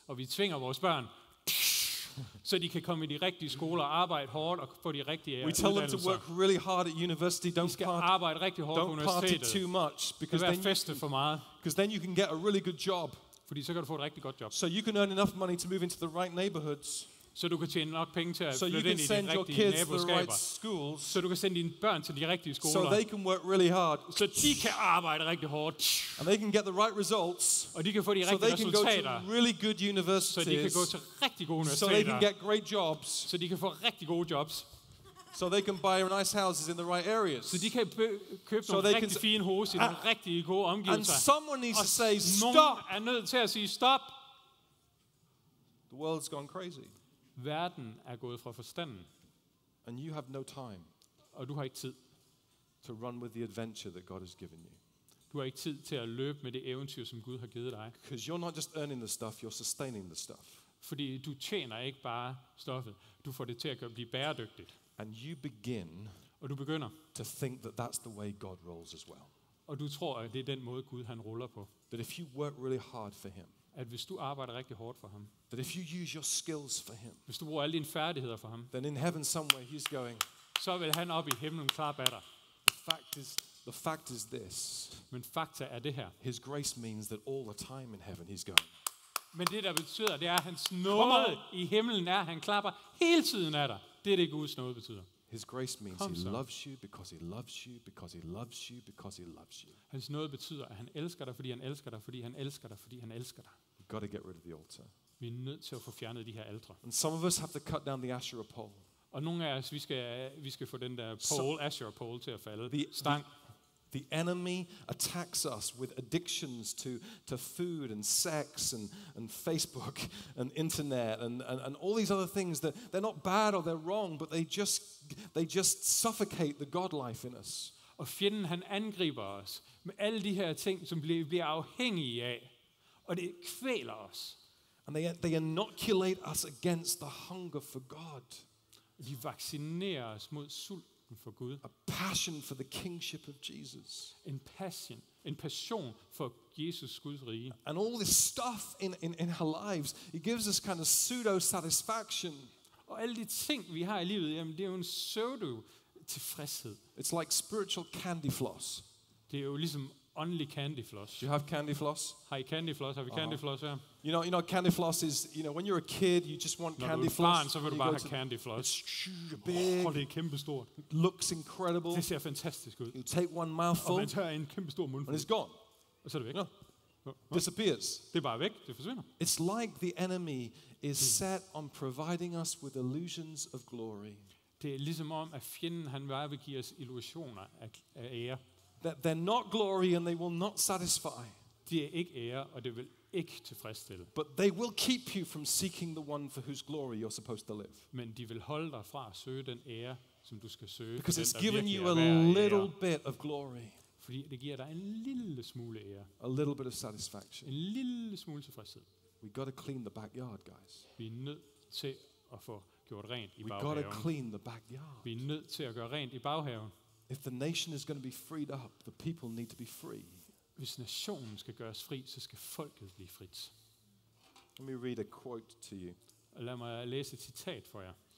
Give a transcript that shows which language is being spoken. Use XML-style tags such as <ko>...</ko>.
<da>Og vi tvinger vores børn så de kan komme i de rigtige skoler, arbejde hårdt og få de rigtige</da> <en>We tell them to work really hard at university. Don't</en> <da>skal arbejde rigtig hårdt på universitetet.</da> <en>Don't party too much because then</en> <da>feste for meget.</da> <en>Because then you can get a really good job.</en> <da>Fordi så kan du få et rigtig godt job.</da> <en>So you can earn enough money to move into the right neighborhoods.</en> <da>Så du kan tjene nok penge til at flytte ind i de rigtige naboskaber.</da> <en>Right,</en> <da>så du kan sende dine børn til de rigtige skoler.</da> <en>So they can work really hard.</en> <da>Så de kan arbejde rigtig hårdt.</da> <en>And they can get the right results.</en> <da>Og de kan få de rigtige resultater.</da> <en>So they can go to really good universities.</en> <da>Så de kan gå til rigtig gode universiteter.</da> <en>So they can get great jobs.</en> <da>Så de kan få rigtig gode jobs.</da> <en>So they can buy nice houses in the right areas.</en> <da>Så de kan købe nogle rigtig fine huse i nogle rigtig gode omgivelser.</da> <en>And someone needs to say stop.</en> <da>Er nødt til at sige stop.</da> <en>The world's gone crazy.</en> <da>Verden er gået fra forstanden.</da> <en>And you have no time.</en> <da>Og du har ikke tid.</da> <en>To run with the adventure that God has given you.</en> <da>Du har ikke tid til at løbe med det eventyr som Gud har givet dig.</da> <en>Because you're not just earning the stuff, you're sustaining the stuff.</en> <da>Fordi du tjener ikke bare stoffet. Du får det til at blive bæredygtigt.</da> <en>And you begin.</en> <da>Og du begynder</da> <en>to think that that's the way God rolls as well.</en> <da>Og du tror at det er den måde Gud han ruller på.</da> <en>That if you work really hard for him.</en> <da>At hvis du arbejder rigtig hårdt for ham.</da> <en>That if you use your skills for him.</en> <da>Hvis du bruger alle dine færdigheder for ham.</da> <en>Then in heaven somewhere he's going.</en> <da>Så vil han op i himlen klappe af dig.</da> <en>The fact is this.</en> <da>Men fakta er det her.</da> <en>His grace means that all the time in heaven he's going.</en> <da>Men det der betyder det er hans nåde i himlen er han klapper hele tiden af dig. Det er det Guds nåde betyder.</da> <en>His grace means he loves you because he loves you because he loves you because he loves you.</en> <da>Hans nåde betyder at han elsker dig fordi han elsker dig fordi han elsker dig fordi han elsker dig.</da> <en>You've got to get rid of the altar.</en> <da>Vi er nødt til at få fjernet de her altre.</da> <en>And some of us have to cut down the Asherah pole.</en> <da>Og nogle af os vi skal få den der pole, Asherah pole til at falde. Stang.</da> <en>The enemy attacks us with addictions to food and sex and Facebook and internet and all these other things that they're not bad or they're wrong, but they just suffocate the God life in us.</en> <da>Og fjenden, han angriber os med alle de her ting, som bliver afhængige af, og det kvæler os.</da> <en>And they inoculate us against the hunger for God.</en> <da>De vaccinerer os mod sulten for Gud.</da> <en>A passion for the kingship of Jesus.</en> <da>En passion for Jesus Guds rige.</da> <en>And all this stuff in our lives, it gives us kind of pseudo satisfaction.</en> <da>Og alle de ting vi har i livet, jamen det er jo en pseudo tilfredshed.</da> <en>It's like spiritual candy floss.</en> <da>Det er jo ligesom</da> <en>only</en> <da>candy floss.</da> <en>Do you have candy floss?</en> <da>Har I candy floss? Har vi candy floss her?</da> <en>You know, candy floss is, you know, when you're a kid, you just want</en> <da>Når</da> <en>candy floss.</en> <da>Når du er barn, så vil du bare have candy floss.</da> <en>It's big.</en> <da>Oh, det er kæmpestort.</da> <en>It looks incredible.</en> <da>Det ser fantastisk ud.</da> <en>You take one mouthful.</en> <da>Og man tager en kæmpestor mundfuld.</da> <en>And it's gone.</en> <da>Og så er det væk.</da> <en>No. Disappears.</en> <da>Det er bare væk. Det forsvinder.</da> <en>It's like the enemy is set on providing us with illusions of glory.</en> <da>Det er ligesom om, at fjenden, han bare vil give os illusioner af ære.</da> <en>That they're not glory and they will not satisfy.</en> <da>De er ikke ære, og det vil ikke tilfredsstille.</da> <en>But they will keep you from seeking the one for whose glory you're supposed to live.</en> <da>Men de vil holde dig fra at søge den ære, som du skal søge.</da> <en>Because</en> <da>den,</da> <en>it's given you a little bit of glory.</en> <da>Fordi det giver dig en lille smule ære.</da> <en>A little bit of satisfaction.</en> <da>En lille smule tilfredshed.</da> <en>We got to clean the backyard, guys.</en> <da>Vi er nødt til at få gjort rent i baghaven.</da> <en>We got to clean the backyard.</en> <da>Vi er nødt til at gøre rent i baghaven.</da> <en>If the nation is going to be freed up, the people need to be free.</en> <da>Hvis nationen skal gøres fri, så skal folket blive frit.</da> <en>Let me read a quote to you.</en> <da>Lad mig læse et citat for jer.</da>